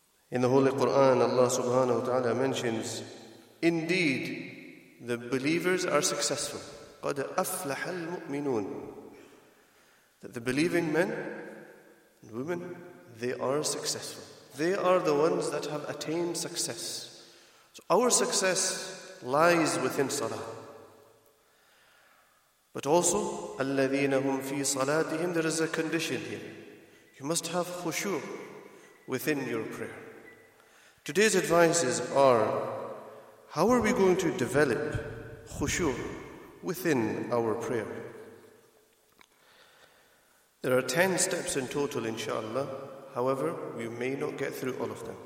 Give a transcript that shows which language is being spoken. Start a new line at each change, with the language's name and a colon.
English: In the Holy Quran, Allah subhanahu wa ta'ala mentions, indeed, the believers are successful.
Arabic: قَدْ أَفْلَحَ الْمُؤْمِنُونَ.
English: That the believing men and women, they are successful. They are the ones that have attained success. So our success lies within salah. But also,
Arabic: الَّذِينَ هُمْ فِي صَلَاتِهِمْ.
English: There is a condition here. You must have khushu within your prayer. Today's advices are, how are we going to develop khushu within our prayer? There are 10 steps in total, inshallah. However, we may not get through all of them.